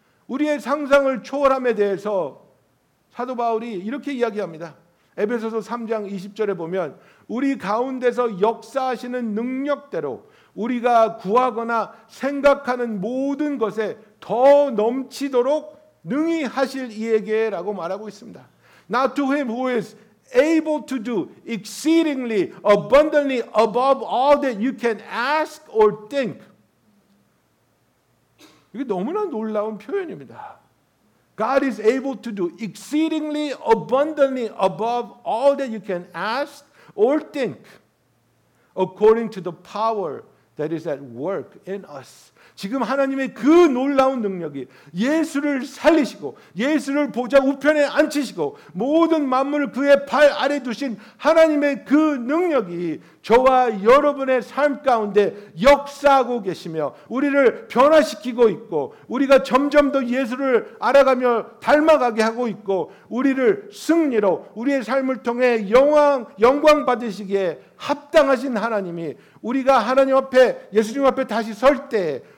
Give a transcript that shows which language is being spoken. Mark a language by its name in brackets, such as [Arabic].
[Korean] 우리의 상상을 초월함에 대해서 사도 바울이 이렇게 이야기합니다. 에베소서 3장 20절에 보면 우리 가운데서 역사하시는 능력대로 우리가 구하거나 생각하는 모든 것에 더 넘치도록 능히 하실 이에게 라고 말하고 있습니다. [English] Now to him who is able to do exceedingly abundantly above all that you can ask or think. [Korean] 이게 너무나 놀라운 표현입니다. [English] God is able to do exceedingly abundantly above all that you can ask or think according to the power that is at work in us. [Korean] 지금 하나님의 그 놀라운 능력이 예수를 살리시고 예수를 보좌 우편에 앉히시고 모든 만물을 그의 발 아래 두신 하나님의 그 능력이 저와 여러분의 삶 가운데 역사하고 계시며 우리를 변화시키고 있고 우리가 점점 더 예수를 알아가며 닮아가게 하고 있고 우리를 승리로 우리의 삶을 통해 영광 받으시기에 합당하신 하나님이 우리가 하나님 앞에 예수님 앞에 다시 설 때